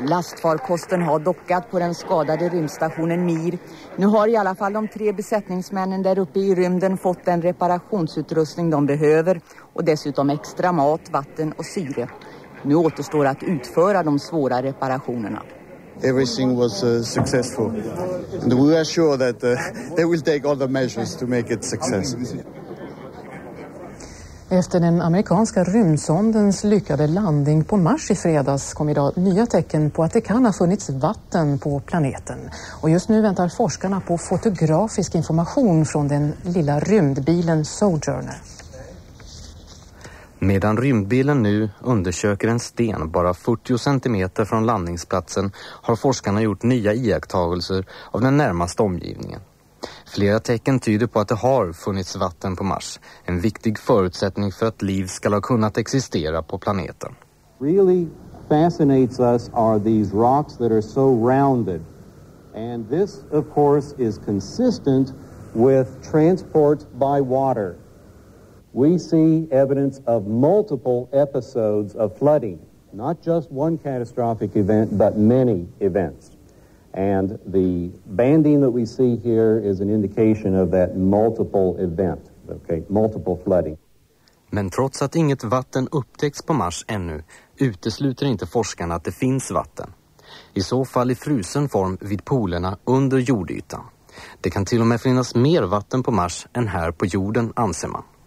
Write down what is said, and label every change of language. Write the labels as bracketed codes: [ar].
[sv] Lastfarkosten har dockat på den skadade rymdstationen Mir. Nu har i alla fall de tre besättningsmännen där uppe i rymden fått den reparationsutrustning de behöver och dessutom extra mat, vatten och syre. Nu återstår att utföra de svåra reparationerna. [en] Everything was successful. And we are sure that they will take all the measures to make it successful. [sv] Efter den amerikanska rymdsondens lyckade landning på Mars i fredags kom idag nya tecken på att det kan ha funnits vatten på planeten. Och just nu väntar forskarna på fotografisk information från den lilla rymdbilen Sojourner. Medan rymdbilen nu undersöker en sten bara 40 cm från landningsplatsen har forskarna gjort nya iakttagelser av den närmaste omgivningen. Flera tecken tyder på att det har funnits vatten på Mars, en viktig förutsättning för att liv ska ha kunnat existera på planeten. [en] Really fascinates us are these rocks that are so rounded. And this of course is consistent with transport by water. We see evidence of multiple episodes of flooding, not just one catastrophic event, but many events. And the banding that we see here is an indication of that multiple event, okay, multiple flooding. [sv] Men trots att inget vatten upptäckts på Mars ännu, utesluter inte forskarna att det finns vatten. I så fall i frusen form vid polerna under jordytan. Det kan till och med finnas mer vatten på Mars än här på jorden, anser man.